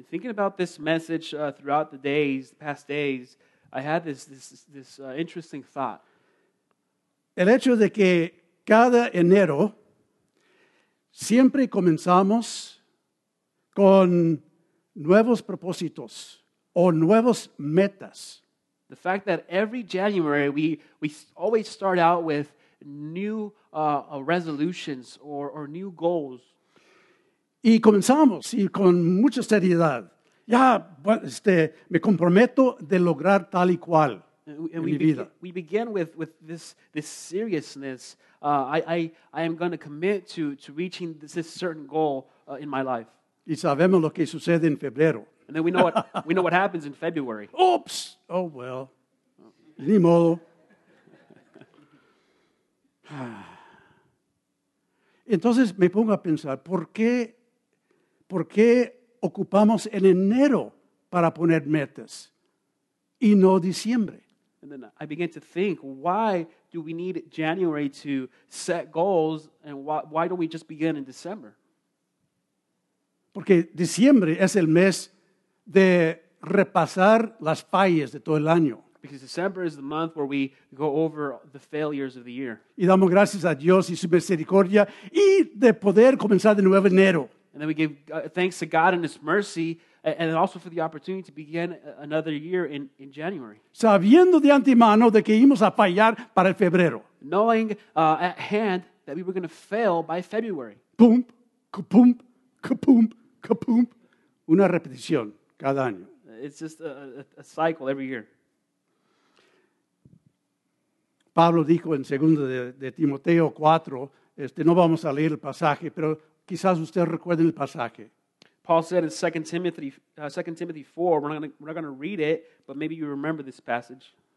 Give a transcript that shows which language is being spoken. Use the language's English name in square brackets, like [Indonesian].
[English] Thinking about this message throughout the days, the past days, I had this interesting thought. [Spanish] El hecho de que cada enero siempre comenzamos con nuevos propósitos o nuevos metas. [English] The fact that every January we always start out with new resolutions or new goals. [Spanish] Y comenzamos, y con mucha seriedad. Ya, me comprometo de lograr tal y cual en mi vida. [English] We begin with this seriousness. I am going to commit to reaching this certain goal in my life. [Spanish] Y sabemos lo que sucede en febrero. [English] And then we know what happens in February. Oops! Oh, well. [Spanish] Ni modo. Entonces, me pongo a pensar, ¿por qué ocupamos en enero para poner metas y no diciembre? [English] And then I began to think, why do we need January to set goals and why don't we just begin in December? [Spanish] Porque diciembre es el mes de repasar las fallas de todo el año. [English] Because December is the month where we go over the failures of the year. [Spanish] Y damos gracias a Dios y su misericordia y de poder comenzar de nuevo enero. [English] And then we give thanks to God and His mercy, and also for the opportunity to begin another year in January. [Spanish] Sabiendo de antemano de que íbamos a fallar para el febrero. [English] Knowing at hand that we were going to fail by February. [Spanish] Pum, kapum, kapum, kapum. Una repetición cada año. [English] It's just a cycle every year. [Spanish] Pablo dijo en 2 de Timoteo 4, no vamos a leer el pasaje, pero quizás ustedes recuerden el pasaje. [English] Paul said in 2 Timothy 4, we're not going to read it, but maybe you remember this passage.